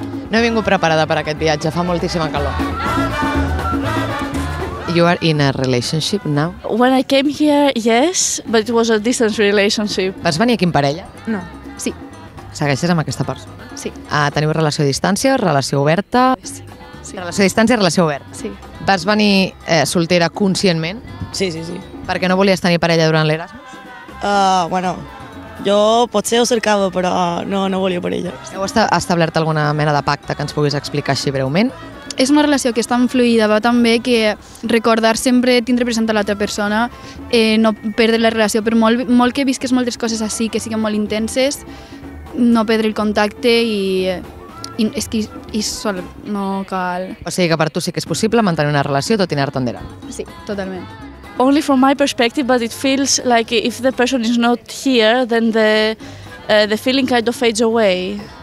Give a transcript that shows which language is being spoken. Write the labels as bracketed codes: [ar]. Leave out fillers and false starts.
[ca] No he vingut preparada per aquest viatge, fa moltíssima calor. [en] You are in a relationship now? When I came here, yes, but it was a distance relationship. [ca] Vas venir aquí en parella? No, sí. Segueixes amb aquesta persona? Sí. Teniu relació a distància, relació oberta? Sí. Relació a distància, relació oberta? Sí. Vas venir soltera conscientment? Sí. Perquè no volies tenir parella durant l'Erasmus? Jo potser ho cercava, però no volia parella. Heu establert alguna mena de pacte que ens puguis explicar així breument? És una relació que és tan fluida, va tan bé que recordar sempre tindre present a l'altra persona, no perdre la relació, però molt que visques moltes coses així que siguen molt intenses, no perdre el contacte i és que i sol no cal. O sigui que per tu sí que és possible mantenir una relació tot i anar tondera. Sí, totalment. [en] Only from my perspective, but it feels like if the person is not here, then the feeling kind of fades away.